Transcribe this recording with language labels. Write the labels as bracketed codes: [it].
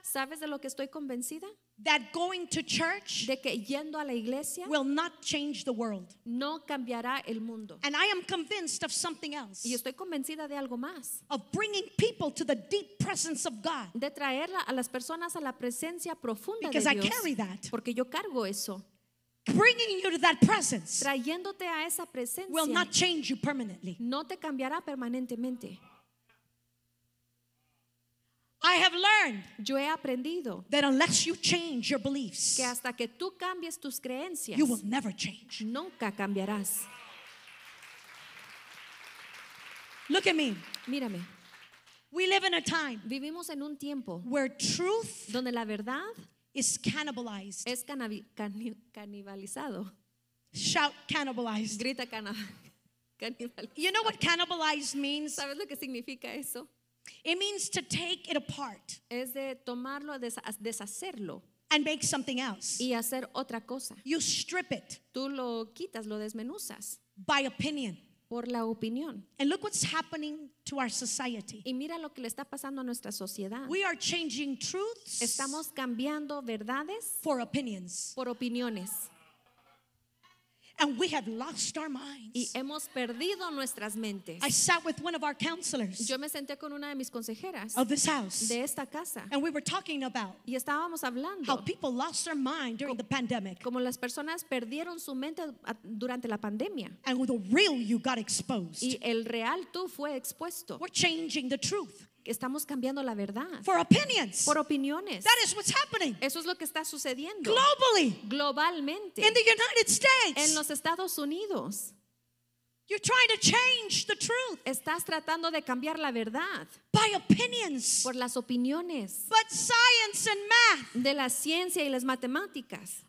[es] ¿Sabes de lo que estoy convencida? [en] That going to church [es] de que yendo a la iglesia [en] will not change the world. [es] No cambiará el mundo. [en] And I am convinced of something else. [es] Y estoy convencida de algo más. [en] Of bringing people to the deep presence of God. [es] De traer a las personas a la presencia profunda [en] because [es] de Dios. [en] Because I carry that. [es] Porque yo cargo eso. [en] Bringing you to that presence. [es] Trayéndote a esa presencia. [en] Will not change you permanently. [es] No te cambiará permanentemente. [en] I have learned. [es] Yo he aprendido. [en] That unless you change your beliefs. [es] Que hasta que tú cambies tus creencias. [en] You will never change. [es] Nunca cambiarás. [en] Look at me. [es] Mírame. [en] We live in a time. [es] Vivimos en un tiempo [en] where truth, [es] donde la verdad, [en] is cannibalized. [es] Es canibalizado. [en] Shout cannibalized. [es] Grita cannibalized. [en] You know what cannibalized means? [es] ¿Sabes lo que significa eso? [en] It means to take it apart. [es] Es de tomarlo, deshacerlo. [en] And make something else. [es] Y hacer otra cosa. [en] You strip it. [es] Tú lo quitas, lo desmenuzas. [en] By opinion. [es] Por la opinión. [en] And look what's happening to our society. [es] Y mira lo que le está pasando a nuestra sociedad. [en] We are changing truths. [es] Estamos cambiando verdades. [en] For opinions. [es] Por opiniones. [en] And we have lost our minds. [es] Y hemos perdido nuestras mentes. [en] I sat with one of our counselors. [es] Yo me senté con una de mis consejeras. [en] Of this house. [es] De esta casa. [en] And we were talking about. [es] Y estábamos hablando. [en] How people lost their mind during the pandemic. [es] Como las personas perdieron su mente durante la pandemia. [en] And the real you got exposed. [es] Y el real tú fue expuesto. [en] We're changing the truth. [es] Estamos cambiando la verdad. [en] For opinions. [es] Por opiniones. [en] That is what's happening. [es] Eso es lo que está sucediendo. [en] Globally. [es] Globalmente. [en] In the United States. [es] En los Estados Unidos. [en] You're trying to change the truth. [es] Estás tratando de cambiar la verdad. [en] By opinions. [es] Por las opiniones. [en] But science and math. [es] De la ciencia y las matemáticas.